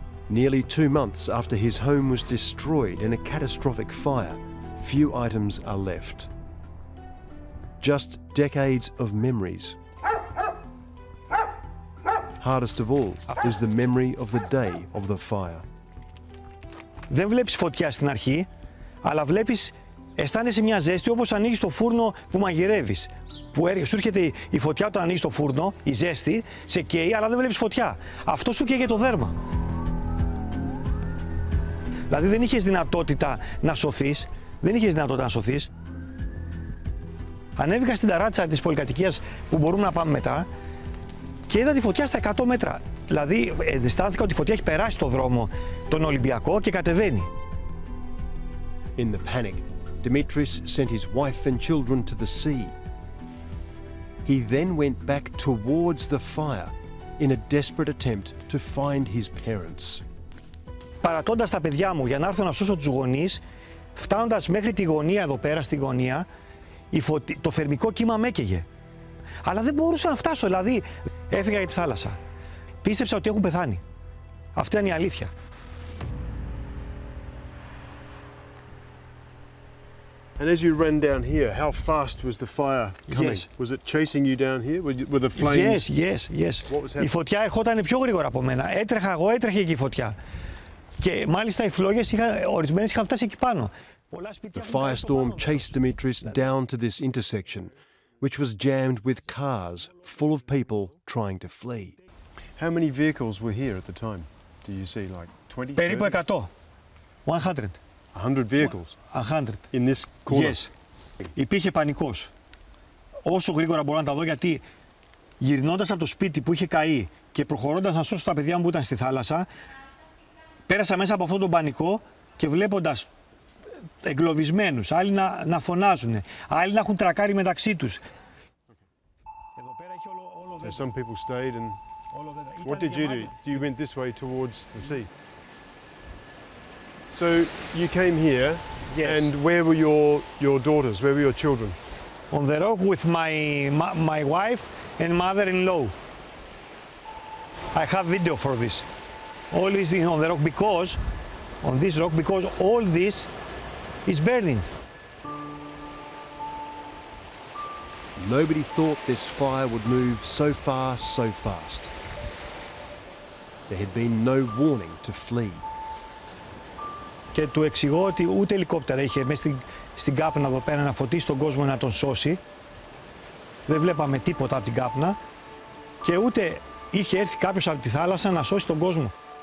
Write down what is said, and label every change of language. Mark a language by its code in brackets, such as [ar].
[en] Nearly 2 months after his home was destroyed in a catastrophic fire, few items are left. Just decades of memories. Hardest of all is the memory of the day of the fire. [el] Δεν βλέπεις φωτιά στην αρχή, αλλά βλέπεις, αισθάνεσαι μια ζέστη όπως ανοίγεις το φούρνο που μαγειρεύεις. Που σου έρχεται η φωτιά όταν ανοίγεις το φούρνο, η ζέστη, σε καίει, αλλά δεν βλέπεις φωτιά. Αυτό σου καίγε το δέρμα. Δηλαδή δεν είχες δυνατότητα να σωθείς, δεν είχες δυνατότητα να σωθείς. Ανέβηκα στην ταράτσα της πολυκατοικίας που μπορούμε να πάμε μετά και είδα τη φωτιά στα 100 μέτρα. Δηλαδή αισθάνθηκα ότι η φωτιά έχει περάσει το δρόμο τον Ολυμπιακό και κατεβαίνει. [en] In the panic, Dimitris sent his wife and children to the sea. He then went back towards the fire in a desperate attempt to find his parents. [el] Παρατώντας τα παιδιά μου για να έρθω να σώσω τους γονείς, φτάνοντας μέχρι τη γωνία εδώ πέρα στη γωνία, το θερμικό κύμα με έκαιγε. Αλλά δεν μπορούσα να φτάσω, δηλαδή έφυγα για τη θάλασσα. Πίστεψα ότι έχουν πεθάνει. Αυτή ήταν η αλήθεια. [en] And as you ran down here, how fast was the fire coming? Yes. Was it chasing you down here? Were the flames? Yes, yes, yes. What was happening? [el] Η φωτιά ερχόταν πιο γρήγορα από μένα. Έτρεχα εγώ, έτρεχε και η φωτιά. Και μάλιστα οι φλόγες ορισμένες είχαν φτάσει εκεί πάνω. [en] The firestorm chased Dimitris down to this intersection, which was jammed with cars full of people trying to flee. How many vehicles were here at the time? Do you see like 20? [el] Περίπου 100. 100. [en] 100 vehicles. 100. In this corner. Yes. [el] Υπήρχε πανικός. Όσο γρήγορα μπορώ να τα δω, γιατί γυρνώντας από το σπίτι που είχε καεί και προχωρώντας να σώσω τα παιδιά μου που ήταν στη θάλασσα, πέρασα μέσα από αυτόν τον πανικό και βλέποντας εγκλωβισμένους, άλλοι να φωνάζουν, άλλοι να έχουν τρακάρει μεταξύ τους. Εδώ πέρα έχει όλο δέντρο. [en] Some people stayed and what did you do? You went this way towards the sea. So you came here, yes. And where were your daughters? Where were your children? On the rock with my wife and mother-in-law. I have video for this. All is on the rock because on this rock because all this is burning. Nobody thought this fire would move so far, so fast. There had been no warning to flee. [el] Και του εξηγώ ότι ούτε ελικόπτερα είχε μέσα στην κάπνα εδώ πέρα να φωτίσει τον κόσμο να τον σώσει. Δεν βλέπαμε τίποτα από την κάπνα. Και ούτε είχε έρθει κάποιος από τη θάλασσα να σώσει τον κόσμο.